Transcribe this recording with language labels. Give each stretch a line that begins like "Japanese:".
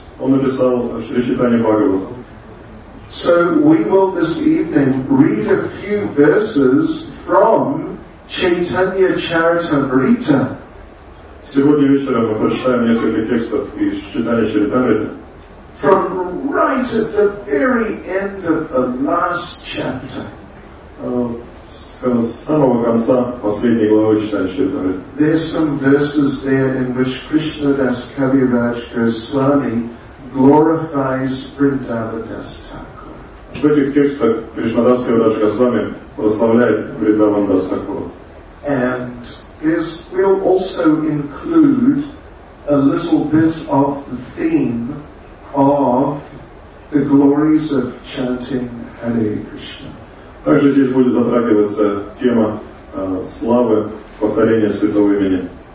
Russian: Он написал Шри Чайтанья Бхагавату.
English: So we will this evening read a few verses from Chaitanya Charitamrita.
Russian: Сегодня вечером мы прочитаем несколько текстов из Чайтанья Чаритамриты.
English: From right at the very end of the last chapter.
Russian: С самого конца последней главы Чайтанья Чаритамриты.
English: There's some verses there in which Krishna Das Kaviraj Goswami glorifies Vrindavan Das Thakur.
Russian: в этих текстах Кришнадасская Раджгасвами прославляет Вриндавандаса Такура.
English: And this will also include a little bit of the theme of the glories of chanting Hare Krishna.
Russian: Также здесь будет затрагиваться тема славы повторения святого имени.